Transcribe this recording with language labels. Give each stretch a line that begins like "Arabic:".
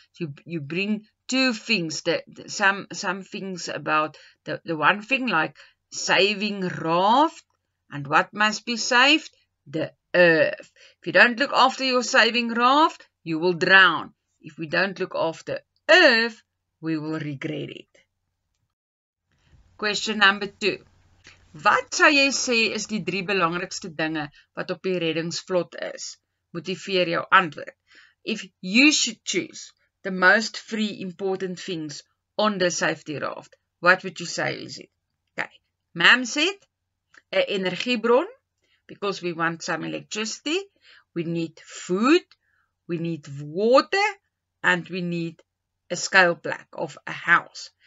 English: So you bring two things, some things about the one thing like saving raft and what must be saved, the earth. If you don't look after your saving raft, you will drown. If we don't look after earth, we will regret it. Question number 2.
Afrikaans: Wat sou jy sê is die drie belangrikste dinge wat op die reddingsvloot is? Motiveer jou antwoord.
English: If you should choose the most three important things on the safety raft, what would you say is it? Okay, ma'am said,
Afrikaans: 'n energiebron,
English: because we want some electricity, we need food, we need water, and we need a scale plaque of a house.